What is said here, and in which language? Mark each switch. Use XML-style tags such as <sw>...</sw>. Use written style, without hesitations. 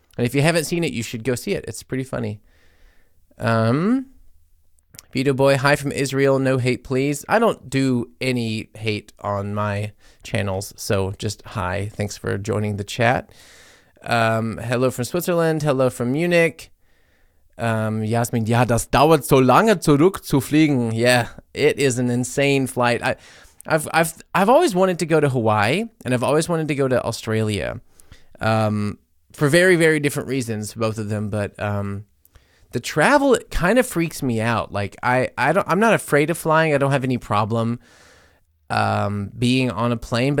<en>And if you haven't seen it, you should go see it. It's pretty funny. Vito Boy, hi from Israel. No hate, please. I don't do any hate on my channels, so just hi. Thanks for joining the chat. Hello from Switzerland. Hello from Munich.</en> <de>Jasmin, ja, das dauert so lange zurück zu fliegen.</de> <en>Yeah, it is an insane flight. I've always wanted to go to Hawaii, and I've always wanted to go to Australia, for very, very different reasons, both of them. But the travel kind of freaks me out. Like, I'm not afraid of flying. I don't have any problem being on a plane.</en>